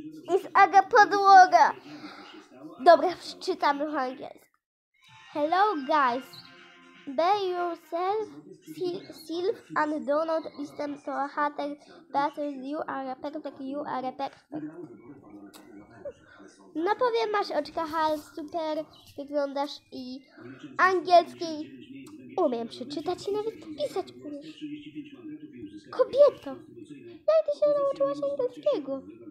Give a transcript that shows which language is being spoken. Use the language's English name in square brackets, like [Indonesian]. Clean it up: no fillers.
[Polish] Jest Aga Podłoga. Dobra, przeczytam po angielsku. [English] Hello guys. Be yourself, self, and do not listen to a hater, because you are perfect, you are perfect. [Polish] No powiem, masz oczka hal, super, wyglądasz i angielski umiem przeczytać i nawet pisać umiesz. Kobieto, jak ty się nauczyłaś angielskiego?